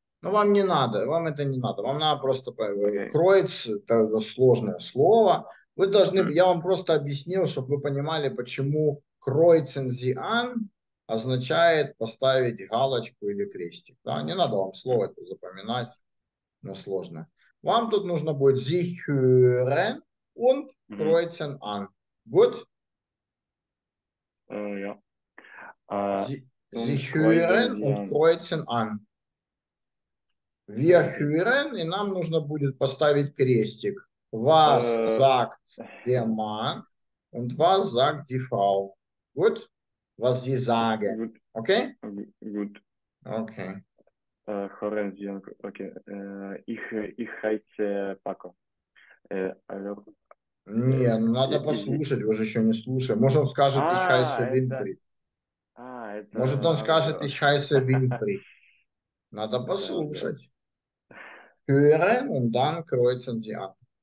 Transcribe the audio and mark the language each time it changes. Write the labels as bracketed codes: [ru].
[ru] Ну, вам не надо, вам это не надо. Вам надо просто… Okay. Kreuz – это сложное слово. Вы должны… Я вам просто объяснил, чтобы вы понимали, почему [de] kreuzen Sie an [ru] означает поставить галочку или крестик. Да? Не надо вам слово это запоминать, но сложно. Вам тут нужно будет [de] sich hören und kreuzen an. [en] Good? [de] Ja. Sich hören und kreuzen an. Wir hören, [ru] и нам нужно будет поставить крестик. [de] Was sagt der Mann und was sagt die Frau? Good? was sie sagen. Gut. Okay? Gut. Okay. Horen Sie, okay. Ich heiße Paco. [ru] Не, ну надо послушать, вы же еще не слушаем. Может, он скажет, [de] ich heiße Winfried. [ru] Может, он скажет, [de] ich heiße Winfried. [ru] Надо послушать. [de] Hören und dann kreuzen Sie an.